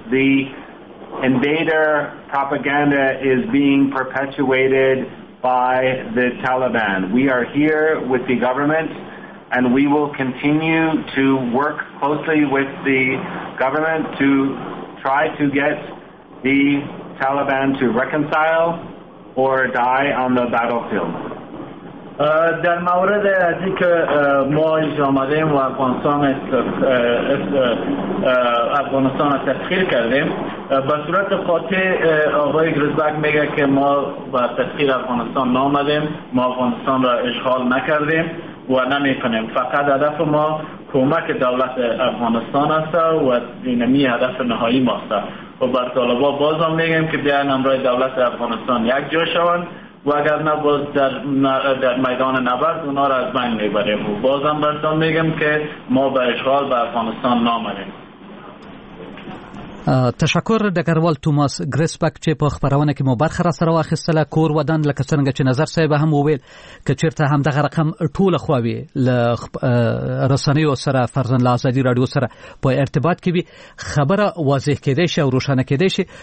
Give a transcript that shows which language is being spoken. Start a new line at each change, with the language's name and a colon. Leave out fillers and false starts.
English: The invader propaganda is being perpetuated by the Taliban. We are here with the government, and we will continue to work closely with the government to try to get the Taliban to reconcile or die on the battlefield.
Persian: در مورد از اینکه ما اینجا آمدیم و افغانستان را تسخیر کردیم، به صورت قاطع آقای گرزبک میگه که ما به تسخیر افغانستان نامدیم، ما افغانستان را اشغال نکردیم و نمی کنیم. فقط هدف ما کمک دولت افغانستان است و اینمی هدف نهایی ما است. و بر طالبا باز هم میگم که بیان امرای دولت افغانستان یک جا شوند و اگر نه باز در میدان نبرد اونا را از بین میبریم. و باز هم بر طالبا میگم که ما به اشغال به افغانستان نامدیم.
Pashto: تشکر دګروال توماس ګریسپک چې په خبرونه کې مو برخه را سره واخیستله. کور ودان لکه څنګه چې نظر صاحب هم وویل که چیرته هم دغه رقم ټوله خواوي له رسنیو سره فرزن لازادي رادیو سره په ارتباط کې خبره واضح کېده شي او روشانه کېده شي.